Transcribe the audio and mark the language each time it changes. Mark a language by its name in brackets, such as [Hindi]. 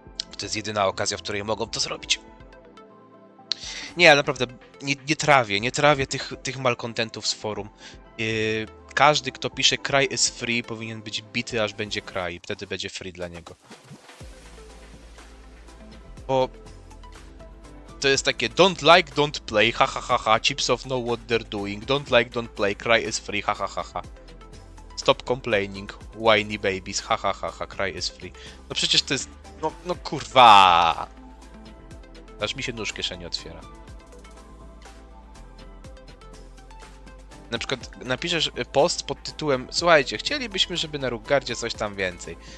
[Polish] Bo to jest jedyna okazja, w której mogą to zrobić. Nie, ale naprawdę nie trawię tych malkontentów z forum. Każdy, kto pisze [English] cry is free, [Polish] powinien być bity, aż będzie cry. Wtedy będzie free dla niego. Bo to jest takie [English] don't like, don't play, ha ha ha ha, chips of know what they're doing, don't like, don't play, cry is free, ha ha ha ha. Stop complaining, whiny babies, ha ha ha ha, cry is free. [Polish] No przecież to jest, no kurwa. Aż mi się nóż w kieszeni otwiera. Na przykład napiszesz post pod tytułem: słuchajcie, chcielibyśmy, żeby na Rookgaardzie coś tam więcej.